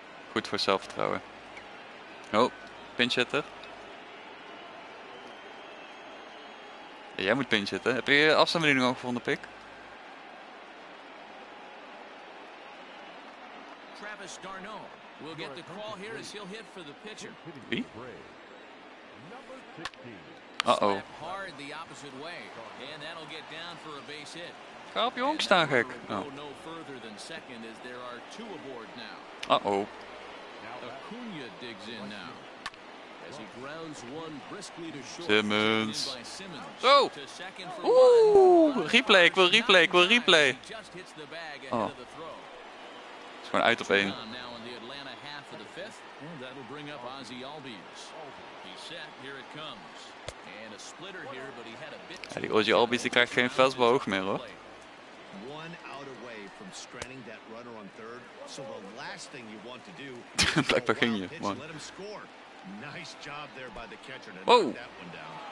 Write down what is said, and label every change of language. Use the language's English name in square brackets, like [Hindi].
[Dutch] Goed voor zelfvertrouwen. Oh, pinch hitter. Ja, jij moet pinch hitten. Heb je afstandsbediening al gevonden, Pik? [English] Travis Darno will get the call here as he'll hit for the pitcher. [Dutch] Wie? [English] Hard the opposite way, and that'll get down for a base hit. [Dutch] Ga op je honk staan, gek. [English] No further than second, as there are two aboard now. Acuna digs in now, as he grounds one briskly to short. [Dutch] Simmons. Oh. Oeh. Replay. Ik wil replay. Oh. Is gewoon uit op één. [English] Now in the Atlanta half of the fifth, that'll bring up Ozzy Albies. He's set. Here it comes. And a splitter here, but he had a bit. [Dutch] Ja, die Ozzy Albies die krijgt geen fastball hoog meer, hoor. [English] One out away from stranding that runner on third. So the last thing you want to do. [Dutch] Blijkbaar ging je, man. [English] Nice job there by the catcher to knock that one down.